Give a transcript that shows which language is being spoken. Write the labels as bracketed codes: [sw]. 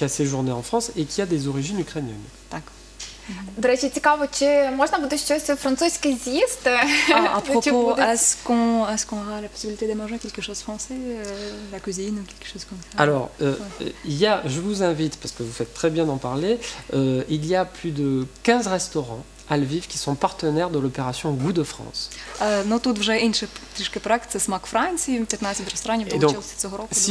[fr] Qui a séjourné en France et qui a des origines ukrainiennes. [uk] Так. До речі, цікаво, чи можна буде щось французьке з'їсти? [fr] А propos, est-ce qu'on aura la possibilité de manger quelque chose français, la cuisine ou quelque chose comme ça? Alors, je vous invite parce que vous faites très bien d'en parler, il y a plus de 15 restaurants à Lviv qui sont partenaires de l'opération Goût de France. [uk] Ну тут вже інше трішки проект, це Смак Франції, 15 ресторанів долучилися цього року.